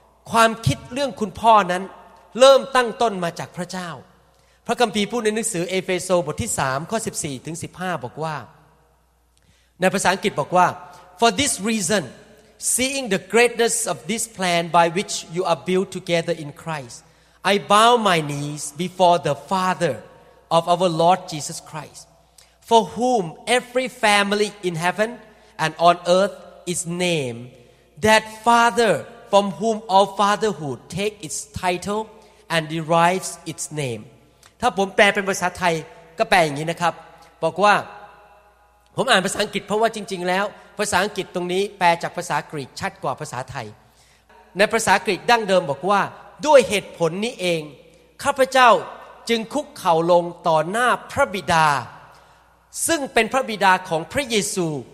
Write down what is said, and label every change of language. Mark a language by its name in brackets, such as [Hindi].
[Thai] ความคิดเรื่องคุณพ่อนั้นเริ่มตั้งต้นมาจากพระเจ้าพระคัมภีร์พูดในหนังสือเอเฟโซบทที่3ข้อ14ถึง15บอกว่าในภาษาอังกฤษบอกว่า [English] For this reason seeing the greatness of this plan by which you are built together in Christ I bow my knees before the Father of our Lord Jesus Christ. For whom every family in heaven and on earth is named, that Father from whom all fatherhood takes its title and derives its name. [Thai] ถ้าผมแปลเป็นภาษาไทยก็แปลอย่างนี้นะครับบอกว่าผมอ่านภาษาอังกฤษเพราะว่าจริงๆแล้วภาษาอังกฤษตรงนี้แปลจากภาษากรีกชัดกว่าภาษาไทยในภาษากรีกดั้งเดิมบอกว่าด้วยเหตุผลนี้เองข้าพเจ้าจึงคุกเข่าลงต่อหน้าพระบิดาซึ่งเป็นพระบิดาของพระเยซู